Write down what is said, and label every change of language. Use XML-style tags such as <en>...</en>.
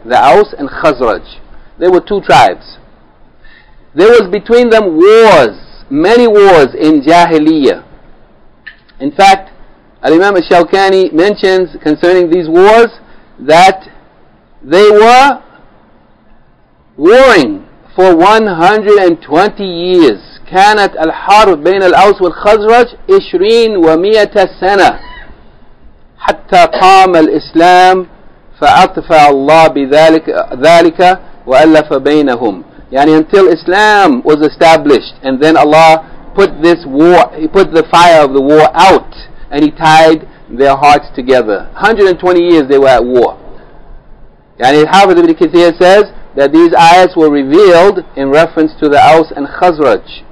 <en>The Aus and Khazraj. They were two tribes. There was between them wars, many wars in Jahiliyyah. In fact, Al-Imam al-Shawkani mentions concerning these wars that they were warring for 120 years.</en> <ar>كانت الحرب بين الأوس والخزرج 20 و100 سنة حتى قام الإسلام فأطفى الله بذلك ذلك وألف بينهم.</ar> <en>يعني until Islam was established, and then Allah put this war, He put the fire of the war out, and He tied their hearts together. 120 years they were at war. Yani Hafidh Ibn Kathir says that these ayats were revealed in reference to the Aus and Khazraj.</en>